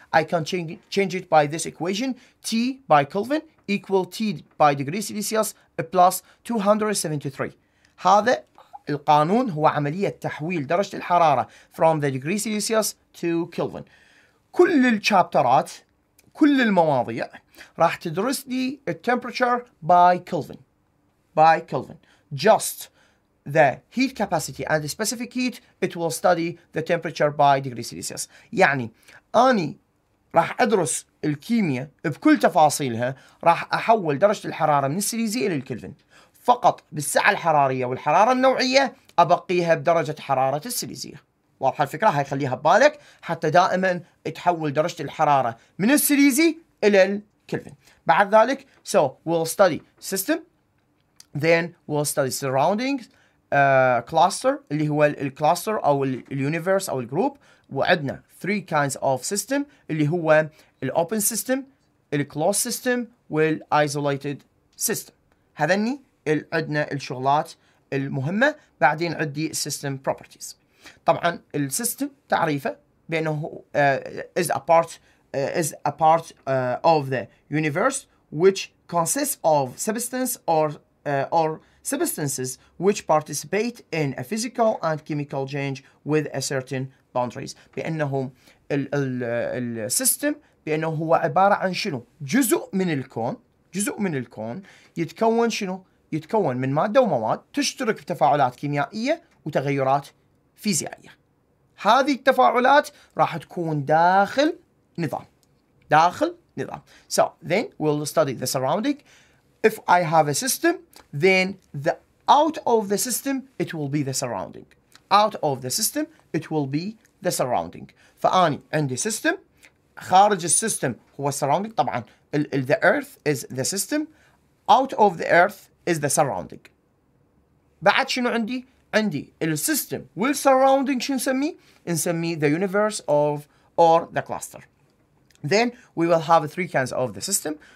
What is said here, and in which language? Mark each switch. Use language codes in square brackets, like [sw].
[en] I can change it by this equation. T by Kelvin equal T by degrees Celsius plus 273. [ar] هذا القانون هو عملية تحويل درجة الحرارة [en] from the degrees Celsius to Kelvin. [ar] كل الشابترات كل المواضيع راح تدرس لي [en] temperature by Kelvin. By Kelvin. Just the heat capacity and the specific heat, it will study the temperature by degrees Celsius. [ar] يعني أني راح أدرس الكيمياء بكل تفاصيلها راح أحول درجة الحرارة من السليزي إلى الكلفن فقط بالسعة الحرارية والحرارة النوعية أبقيها بدرجة حرارة السليزية. واضحة الفكرة؟ هاي خليها ببالك حتى دائما تحول درجة الحرارة من السليزي إلى الكلفن. بعد ذلك [en] so we'll study system, then we'll study surroundings, cluster [ar] اللي هو الكلاستر أو اليونيفرس أو الجروب. وعندنا [en] three kinds of system [ar] اللي هو الopen system, الclosed system والisolated system. هذني عندنا الشغلات المهمة. بعدين عندي [en] system properties. [ar] طبعا السيستم تعريفه بأنه [en] is a part of the universe which consists of substance or substances which participate in a physical and chemical change with a certain boundaries. [ar] بأنه السيستم بأنه هو عبارة عن شنو؟ جزء من الكون. جزء من الكون يتكون شنو؟ يتكون من مادة ومواد تشترك في تفاعلات كيميائية وتغيرات فيزيائية. هذه التفاعلات راح تكون داخل نظام. داخل نظام. [en] So then we'll study the surrounding. If I have a system, then the out of the system, it will be the surrounding. Out of the system, it will be the surrounding. [ar] فأني عندي system. خارج السيستم هو surrounding. [en] طبعا the earth is the system. Out of the earth is the surrounding. [ar] بعد شنو عندي؟ عندي السيستم والسراوندينج. شو نسميه [en] the universe of or the cluster. Then we will have three kinds of the system.